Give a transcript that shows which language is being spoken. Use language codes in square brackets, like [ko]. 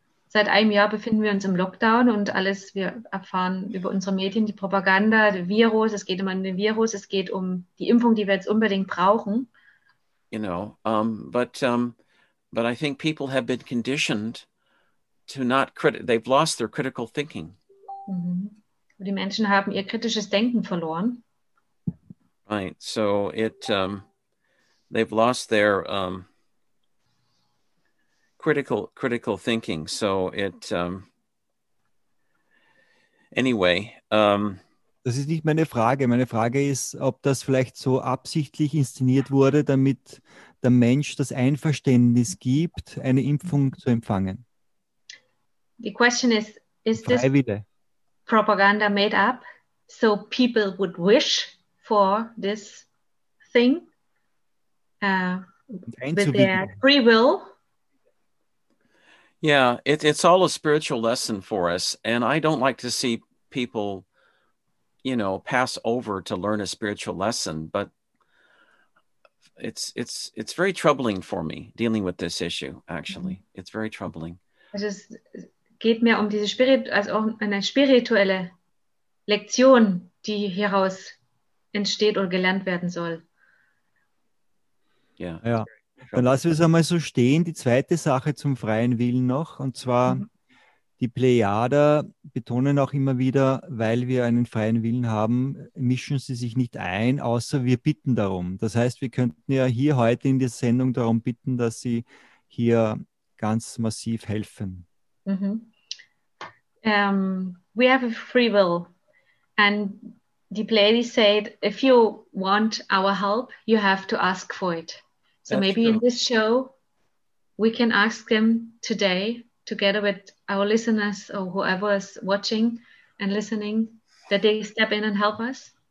[de] Seit einem Jahr befinden wir uns im Lockdown und alles, wir erfahren über unsere Medien, die Propaganda, der Virus, es geht immer um den Virus, es geht um die Impfung, die wir jetzt unbedingt brauchen. [en] You know, but I think people have been conditioned to not they've lost their critical thinking. Mm-hmm. [de] Die Menschen haben ihr kritisches Denken verloren. [en] Right, so it, they've lost their critical thinking. So it, anyway. [de] Das ist nicht meine Frage. Meine Frage ist, ob das vielleicht so absichtlich inszeniert wurde, damit der Mensch das Einverständnis gibt, eine Impfung zu empfangen. [en] The question is this propaganda made up so people would wish for this thing with their free will? Yeah, it's all a spiritual lesson for us. And I don't like to see people, you know, pass over to learn a spiritual lesson. But it's very troubling for me dealing with this issue, actually. It's very troubling. [de] Also es geht mehr um diese spirituelle Lektion, die hieraus entsteht oder gelernt werden soll. [en] Yeah. [de] Ja. Dann lassen wir es einmal so stehen. Die zweite Sache zum freien Willen noch, und zwar die Plejader betonen auch immer wieder, weil wir einen freien Willen haben, mischen sie sich nicht ein, außer wir bitten darum. Das heißt, wir könnten ja hier heute in der Sendung darum bitten, dass sie hier ganz massiv helfen. [en] Mm-hmm. We have a free will. And the Plejader said, if you want our help, you have to ask for it. So that's maybe true. In this show, we can ask them today, together with our listeners or whoever is watching and listening, that they step in and help us.